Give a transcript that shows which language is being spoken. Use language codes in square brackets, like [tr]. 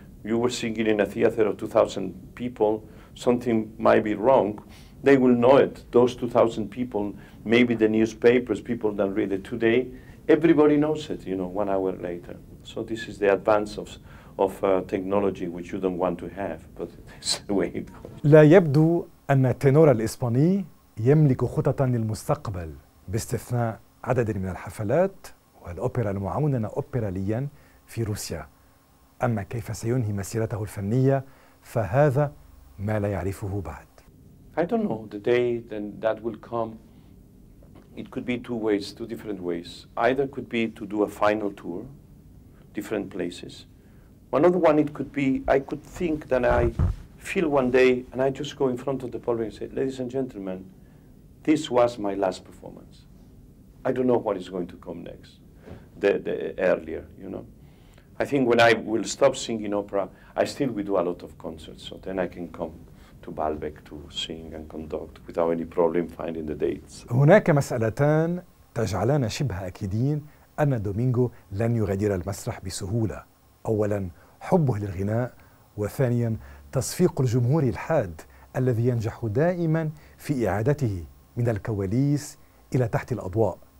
[en] You were singing in a theater of 2,000 people, something might be wrong, they will know it. Those 2,000 people, maybe the newspapers, people that read it today, everybody knows it, you know, 1 hour later. So this is the advance of technology which you don't want to have, but it's the way it goes. [ar] لا يبدو أن التينور الإسباني يملك خططا للمستقبل باستثناء عدد من الحفلات والأوبرا المعاونة أوبراليا في روسيا. أما كيف سينهي مسيرته الفنية فهذا ما لا يعرفه بعد. [en] I don't know the day then that will come. It could be two different ways. Either could be to do a final tour, different places. Another one, it could be, I could think that I feel one day and I just go in front of the public and say, ladies and gentlemen, this was my last performance. I don't know what is going to come next, the earlier, you know. I think when I will stop singing opera, I still will do a lot of concerts, so then I can come to Baalbek to sing and conduct without any problem finding the dates. [ar] هناك مسألتان تجعلان شبه أكيدين أن دومينغو لن يغادر المسرح بسهولة. أولاً حبه للغناء، وثانياً تصفيق الجمهور الحاد الذي ينجح دائماً في إعادته من الكواليس إلى تحت الأضواء.